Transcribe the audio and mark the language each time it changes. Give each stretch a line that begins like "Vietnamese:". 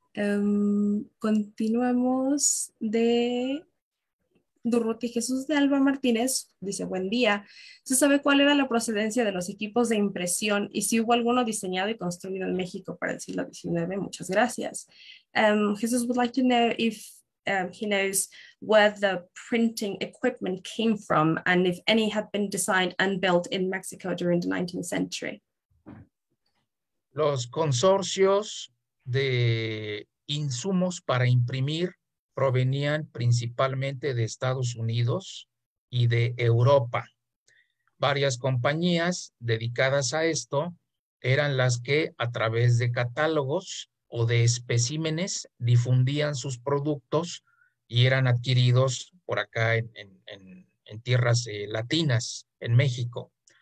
Spanish: Continuamos de Durruti Jesús de Alba Martínez, dice, buen día, ¿se sabe cuál era la procedencia de los equipos de impresión y si hubo alguno diseñado y construido en México para el siglo XIX? Muchas gracias.
English: Jesús would like to know if he knows where the printing equipment came from and if any had been designed and built in Mexico during the 19th century.
Spanish: Los consorcios de insumos para imprimir provenían principalmente de Estados Unidos y de Europa. Varias compañías dedicadas a esto eran las que, a través de catálogos o de especímenes, difundían sus productos y eran adquiridos por acá en tierras latinas, en México.